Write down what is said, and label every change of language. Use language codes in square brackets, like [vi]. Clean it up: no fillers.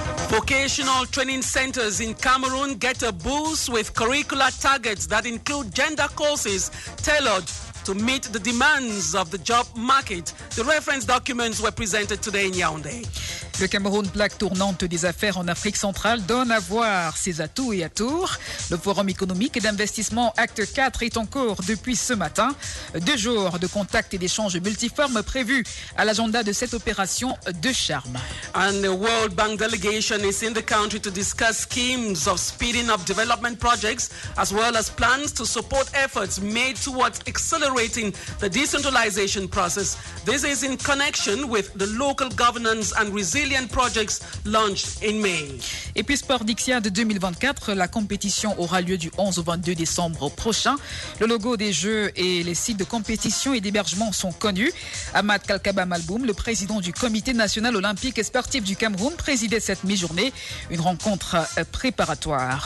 [en] Vocational training centers in Cameroon get a boost with curricular targets that include gender courses tailored to meet the demands of the job market. The reference documents were presented today in Yaoundé. [fr] Le Cameroun, plaque tournante des affaires en Afrique centrale, donne à voir ses atouts et atours. Le Forum économique et d'investissement Acte 4 est en cours depuis ce matin. Deux jours de contacts et d'échanges multiformes prévus à l'agenda de cette opération de charme. [en] And the World Bank delegation is in the country to discuss schemes of speeding up development projects as well as plans to support efforts made towards accelerating the decentralization process. This is in connection with the local governance and resilient projects launched in May. [fr] Et puis Sport Dixia de 2024, la compétition aura lieu du 11 au 22 décembre prochain. Le logo des Jeux et les sites de compétition et d'hébergement sont connus. Ahmad Kalkaba Malboum, le président du Comité national olympique et sportif du Cameroun, présidait cette mi-journée une rencontre préparatoire.